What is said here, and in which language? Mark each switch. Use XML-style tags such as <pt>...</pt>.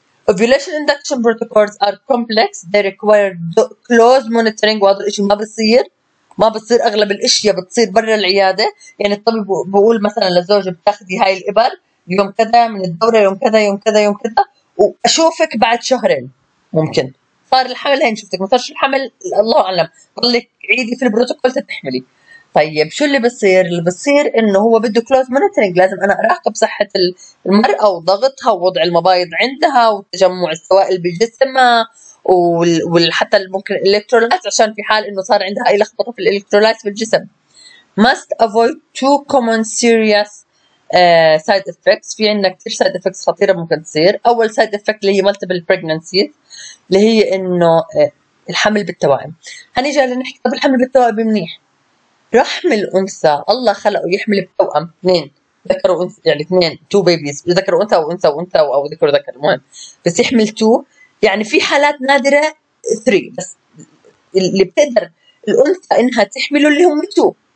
<en>Ovulation induction protocols are complex. They require close monitoring.</en> <ar>وهذا الإشي ما بصير أغلب الأشياء بتصير برا العيادة. يعني الطبيب بقول مثلا للزوجة بتاخدي هاي الإبر يوم كذا من الدورة، يوم كذا يوم كذا يوم كذا، وأشوفك بعد شهرين، ممكن صار الحمل، هين شفتك ما صارش الحمل، الله أعلم، ضلك عيدي في البروتوكول تتحملي. طيب شو اللي بصير؟ اللي بصير انه هو بده كلوز مونيتورنج، لازم انا اراقب صحه المراه وضغطها ووضع المبايض عندها وتجمع السوائل بجسمها وحتى ممكن الالكترولايت، عشان في حال انه صار عندها اي لخبطه في الالكترولايت بالجسم.</ar> <en>must avoid two common serious side effects.</en> <ar>في عندنا كثير side effects خطيره ممكن تصير. اول side effect اللي هي multiple pregnancies، اللي هي انه الحمل بالتوائم. هنيجي لنحكي طب الحمل بالتوائم منيح. رحم الانثى الله خلقه يحمل بتوأم اثنين، ذكر وانثى، يعني اثنين</ar> <en>two babies,</en> <ar>ذكر وانثى وانثى وانثى او ذكر وذكر، المهم بس يحمل تو، يعني في حالات نادره ثري، بس اللي بتقدر الانثى انها تحمله اللي هم تو.</ar>